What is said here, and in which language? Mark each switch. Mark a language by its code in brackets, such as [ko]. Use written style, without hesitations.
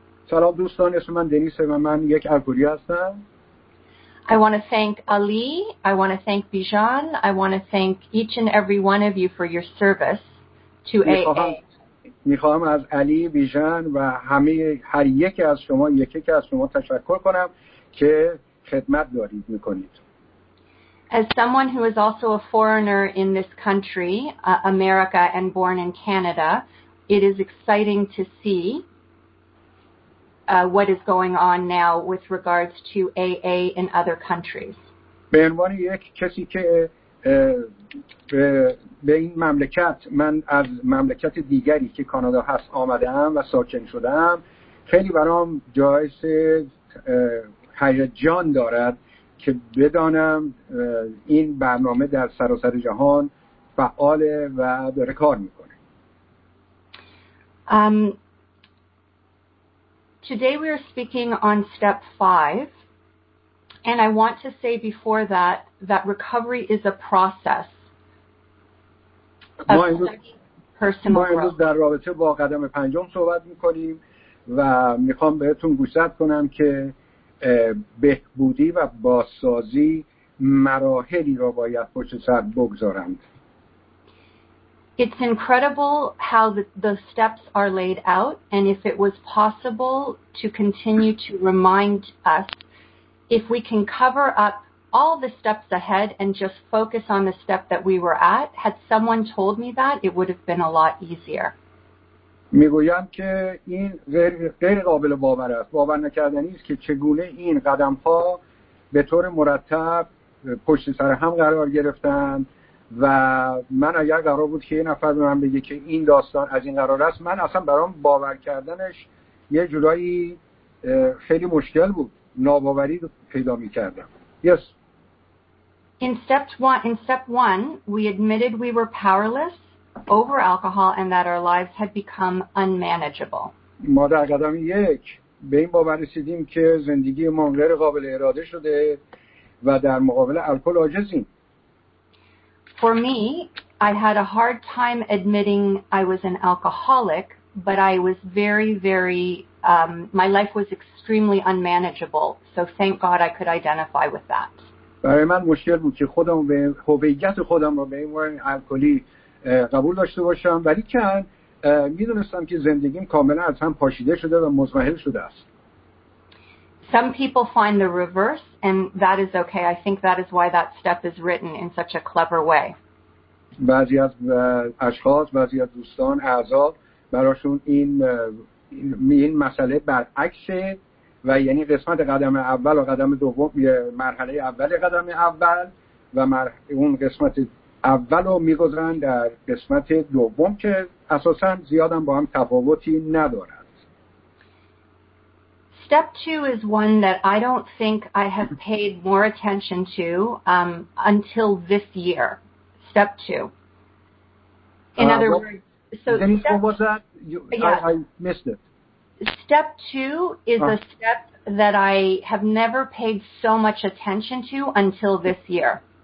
[fa] سلام دوستان، اسم من دنیسه و من یک الکلی هستم. [en] I want to thank Ali. I want to thank Bijan. I want to thank each and every one of you for your service to AA. [fa] می‌خوام از علی، بیژن و همه هر یک از شما تشکر کنم که خدمت دارید می‌کنید. [en] As someone who is also a foreigner in this country, America, and born in Canada, it is exciting to see what is going on now with regards to AA in other countries. [fa] به عنوان یک کسی که به این مملکت، من از مملکت دیگری که کانادا هست آمدم و ساکن شدم، خیلی برام جایز هیجان دارد که بدانم این برنامه در سراسر جهان فعال و داره کار میکنه. [en] Today we are speaking on step 5, and I want to say before that recovery is a process of personal growth. [fa] ما امروز در رابطه با قدم پنجم صحبت میکنیم و میخوام بهتون گوشزد کنم که بهبودی و بازسازی مراحلی را باید پشت سر بگذارند. [en] It's incredible how the steps are laid out, and if it was possible to continue to remind us, if we can cover up all the steps ahead and just focus on the step that we were at, had someone told me that, it would have been a lot easier. [fa] میگویم که این غیر قابل باور است. باور نکردنی است که چگونه این قدم ها به طور مرتب پشت سر هم قرار گرفتند و من اگر قرار بود که یه نفر به من بگه که این داستان از این قرار است، من اصلا برام باور کردنش یه جورایی خیلی مشکل بود، ناباوری پیدا میکردم. [en] Yes. In step one, we admitted we were powerless over alcohol and that our lives had become unmanageable. [fa] ما در قدم یک به این باور رسیدیم که زندگی ما غیر قابل اراده شده و در مقابل الکل عاجزیم. [en] For me, I had a hard time admitting I was an alcoholic, but I was very, very, my life was extremely unmanageable. So thank God I could identify with that. [fa] برای من مشکل بود که خودم به هویت خودم رو به عنوان الکلی قبول داشته باشم، ولی که میدونستم که زندگیم کاملا از هم پاشیده شده و مزمحل شده است. [en] Some people find the reverse and that is okay. I think that is why that step is written in such a clever way. [fa] بعضی از اشخاص، بعضی از دوستان، اعضا براشون این مسئله برعکس و یعنی قسمت قدم اول و قدم دوم، مرحله اول قدم اول و اون قسمت اولو میگذرن در قسمت دوم که اساساً زیادم با هم تفاوتی ندارد. [en] Step 2 is one that I don't think I have paid more attention to until this year. Step 2. In other words, so what was that? I missed it. Step 2 is a step that I have never paid so much attention to until this year.